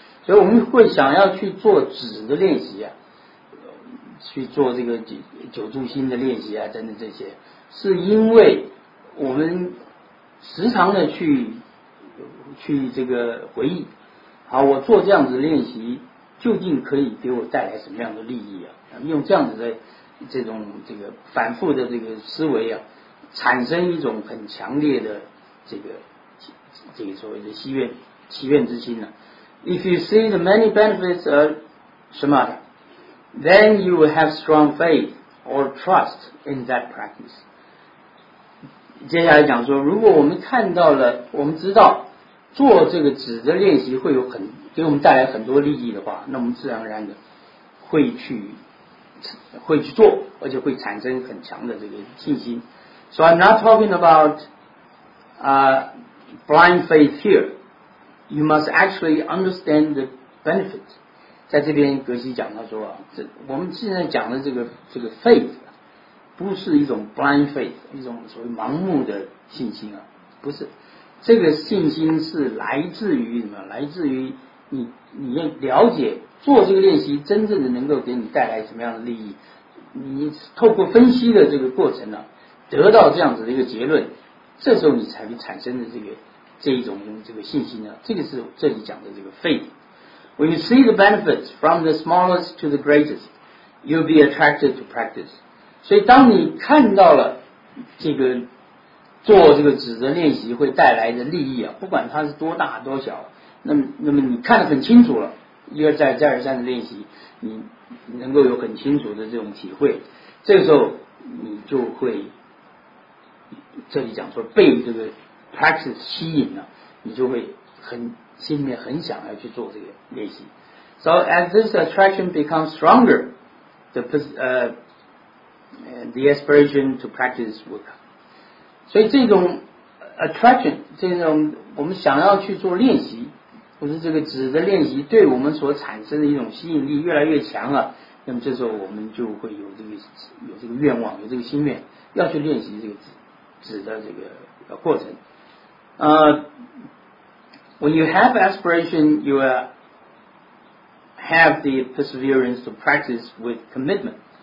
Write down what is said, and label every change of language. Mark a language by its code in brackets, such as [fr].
[zh] 所以我们会想要去做止的练习啊，去做这个久住心的练习啊等等这些，是因为我们时常的去这个回忆，好，我做这样子练习究竟可以给我带来什么样的利益啊，用这样子的这种这个反复的这个思维啊，产生一种很强烈的这个所谓的祈愿之心呢。 [en] If you see the many benefits of shamatha, then you will have strong faith or trust in that practice. [zh] 接下来讲说，如果我们看到了，我们知道做这个止的练习会有很给我们带来很多利益的话，那我们自然而然的会去做，而且会产生很强的这个信心。 [en] So I'm not talking about blind faith here. You must actually understand the benefit. [zh] 在这边格西讲他说啊，我们现在讲的这个 faith 不不是一种 [en] blind faith， [zh] 一种所谓盲目的信心啊，不是。这个信心是来自于什么？来自于你要了解做这个练习真正的能够给你带来什么样的利益。你透过分析的这个过程呢、啊，得到这样子的一个结论，这时候你才会产生的这一种信心呢、啊。这个是这里讲的这个 faith。 [en] When you see the benefits from the smallest to the greatest, you'll be attracted to practice。 [zh] 所以当你看到了这个做这个指责练习会带来的利益啊，不管它是多大多小，那么你看得很清楚了，一而再再而三的练习，你能够有很清楚的这种体会，这个时候你就会，这里讲说被这个 practice 吸引了，你就会很心里面很想要去做这个练习。 [en] So as this attraction becomes stronger, the aspiration to practice will come。 [zh] 所以这种 attraction， 这种我们想要去做练习，或者这个指的练习，对我们所产生的一种吸引力越来越强了，那么这时候我们就会有这个愿望，有这个心愿，要去练习这个指的这个过程。 [en] When you have aspiration, you have the perseverance to practice with commitment。